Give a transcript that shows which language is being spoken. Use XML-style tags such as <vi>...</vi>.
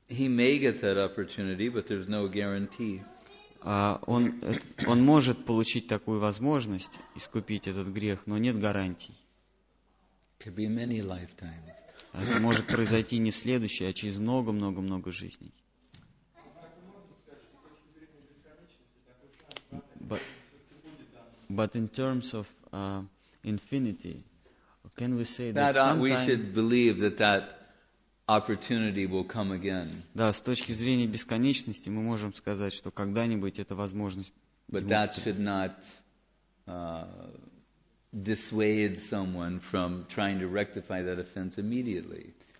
<en>He may get that opportunity, but there's no guarantee.</en> <ru>Он может получить такую возможность искупить этот грех, но нет гарантий.</ru> <en>Could be many lifetimes.</en> <ru>Это может произойти не следующее, а через много-много-много жизней.</ru> <en>But in terms of infinity, can we say that sometime we should believe that opportunity will come again.</en> <ru>Да, с точки зрения бесконечности мы можем сказать, что когда-нибудь эта возможность.</ru> <en>But that should not dissuade someone from trying to rectify that offense immediately.</en>